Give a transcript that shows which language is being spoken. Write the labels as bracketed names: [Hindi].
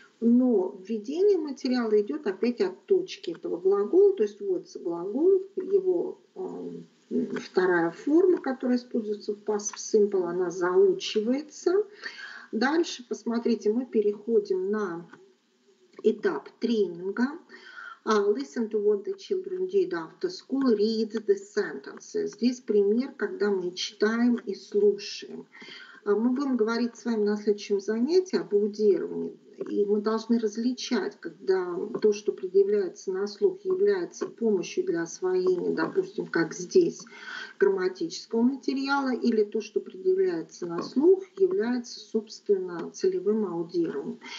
[Russian] Но введение материала идет опять от точки этого глагола, то есть вводится глагол, его вторая форма, которая используется в passive simple, она заучивается. Дальше, посмотрите, мы переходим на этап тренинга. [English] Listen to what the children did after school. Read the sentences. [Russian] Здесь пример, когда мы читаем и слушаем. Мы будем говорить с вами на следующем занятии об аудировании. И мы должны различать, когда то, что предъявляется на слух, является помощью для освоения, допустим, как здесь, грамматического материала, или то, что предъявляется на слух, является, собственно, целевым аудированием.